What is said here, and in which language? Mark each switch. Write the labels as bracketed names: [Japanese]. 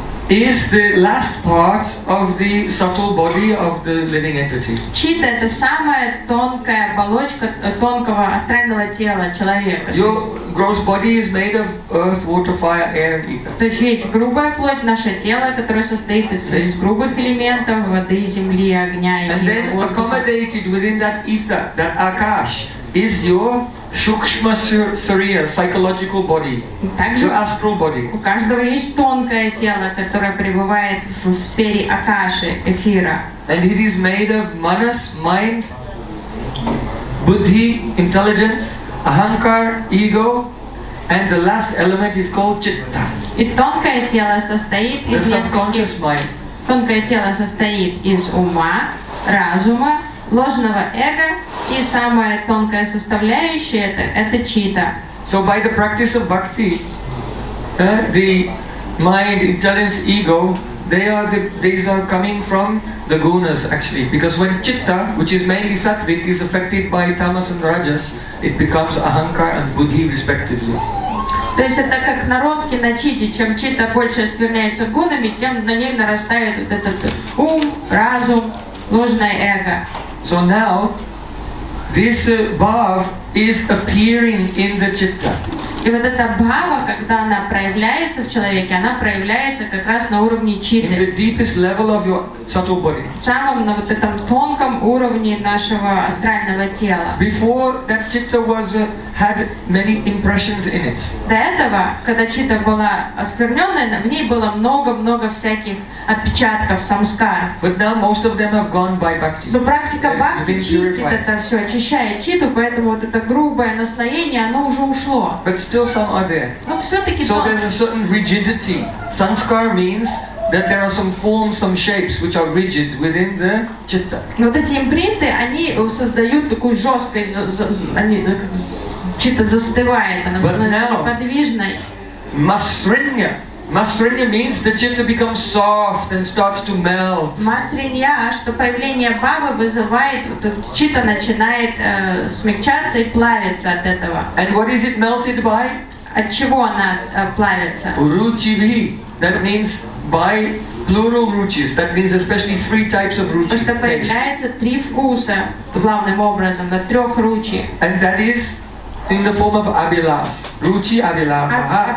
[English] is the last part of the subtle body of the living entity. [Russian] Чита это самая тонкая оболочка тонкого астрального тела человека. [English] Your gross body is made of earth, water, fire, air, and ether. [Russian] То есть грубая плоть наше тело, которое состоит из грубых элементов воды, земли, огня и воздуха. [English] And then accommodated within that ether, that akash, is your Shukshma Sariya, psychological body, [Russian] также [English] your astral body. [Russian] У каждого есть тонкое тело, которое пребывает в сфере акаши, эфира. [English] And it is made of manas, mind, buddhi, intelligence, ahankar, ego, and the last element is called chitta. [Russian] И тонкое тело состоит из [English] subconscious mind. [Russian] Тонкое тело состоит из ума, разума, ложного эго, и самая тонкая составляющая это чита. [English] So by the practice of bhakti, the mind, intelligence, ego, these are coming from the gunas actually. Because when chitta, which is mainly sattvic, is affected by tamas and rajas, it becomes ahankar and buddhi respectively. [Russian] То есть это как наростки на чите, чем чита больше оскверняется гунами, тем на ней нарастает вот этот ум, разум, ложное эго. [English] So now, this bhav is appearing in the chitta. [Russian] И вот эта бхава, когда она проявляется в человеке, она проявляется как раз на уровне читы. [English] In the deepest level of your subtle body. [Russian] В самом на вот этом тонком уровне нашего астрального тела. [English] Before that chitta was had many impressions in it. [Russian] До этого, когда читта была оскверненная, в ней было много-много всяких отпечатков самскар. [English] But now most of them have gone by bhakti. [Russian] Но практика бхакти чистит это все, очищает читту, поэтому вот это грубое наслоение, оно уже ушло. [English] But still some are there. [Russian] Но все-таки [English] so there's a certain rigidity. Sanskar means that there are some forms, some shapes which are rigid within the chitta. [Russian] Но вот эти импринты, они создают такую жесткость, они чита застывает, она становится неподвижной. [Sanskrit] Masrinya. [English] Masrinya means the chitta becomes soft and starts to melt. [Russian] Masrinya, что появление бхавы вызывает, чита начинает смягчаться и плавиться от этого. [English] And what is it melted by? [Russian] От чего она плавится? [Sanskrit] Ruchivi. [English] That means by plural ruchis. That means especially three types of ruchis. [Russian] Что появляется три вкуса главным образом на трех ruchi. [English] And that is in the form of abhilas, ruchi abhilasa.